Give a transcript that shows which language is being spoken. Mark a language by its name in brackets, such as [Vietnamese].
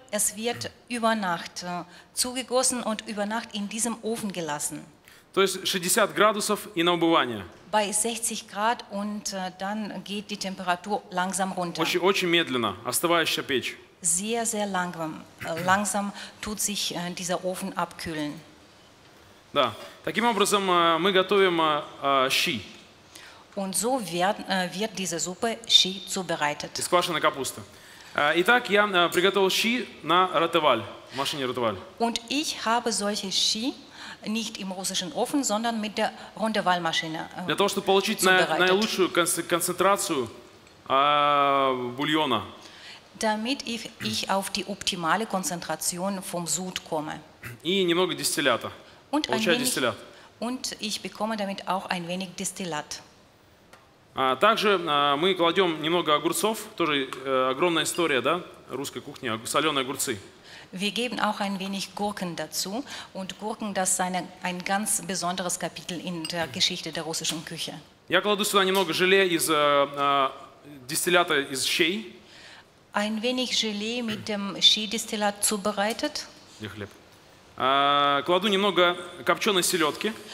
[German] Es wird über Nacht zugegossen und über Nacht in diesem Ofen gelassen. [Russian] То есть 60 градусов и на убывание. [German] Bei 60 Grad und dann geht die Temperatur langsam runter. [Russian] Очень, очень медленно, остывающая печь. [German] Sehr, sehr langsam. Langsam tut sich dieser Ofen abkühlen. [Russian] Да, таким образом мы готовим щи. [German] Und so wird diese Suppe Ski zubereitet. [Russian] Из квашеной капусты. Итак, я приготовил щи на ротоваль, в машине ротоваль. [German] Und ich habe solche Ski nicht im russischen Ofen, sondern mit der Rondeval-Maschine. [Russian] Для того, чтобы получить наилучшую концентрацию бульона. [German] Damit ich auf die optimale Konzentration vom Sud komme. [Russian] И немного дистиллята. Und получаю дистиллят. [German] Und ich bekomme damit auch ein wenig Distillat. [Russian] Также мы кладем немного огурцов, тоже огромная история, да, русской кухни, соленые огурцы. [German] Wir geben auch ein wenig Gurken dazu. Und Gurken, das ist ein ganz besonderes Kapitel in der Geschichte der russischen Küche. [Russian] Я кладу сюда немного желе из дистиллята из щей. [German] Ein wenig Gelee mit dem Ski-Distillat zubereitet. [Russian] Где хлеб? Кладу немного копченой селедки.